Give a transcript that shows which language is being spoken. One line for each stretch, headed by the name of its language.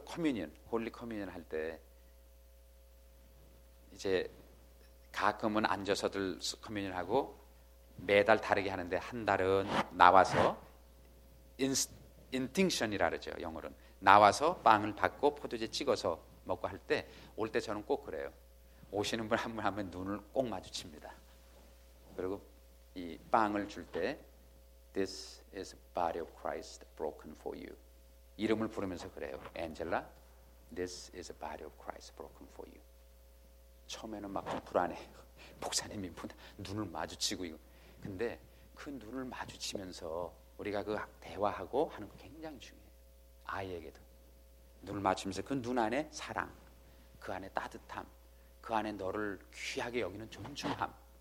Korean: 커뮤니언, 홀리 커뮤니언 할 때 이제 가끔은 앉아서들 커뮤니언 하고 매달 다르게 하는데 한 달은 나와서 인팅션이라 그러죠. 영어로는 나와서 빵을 받고 포도주 찍어서 먹고 할 때 올 때 저는 꼭 그래요. 오시는 분 한 분 하면 눈을 꼭 마주칩니다. 그리고 이 빵을 줄 때
English: This is body of Christ broken for you.
Korean: 이름을 부르면서 그래요.
English: 엔젤라, This is a body of Christ broken for you.
Korean: 처음에는 막 불안해. 목사님이 눈을 마주치고 이거. 근데 그 눈을 마주치면서 우리가 그 대화하고 하는 거 굉장히 중요해요. 아이에게도 눈을 마주치면서 그 눈 안에 사랑, 그 안에 따뜻함, 그 안에 너를 귀하게 여기는 존중함.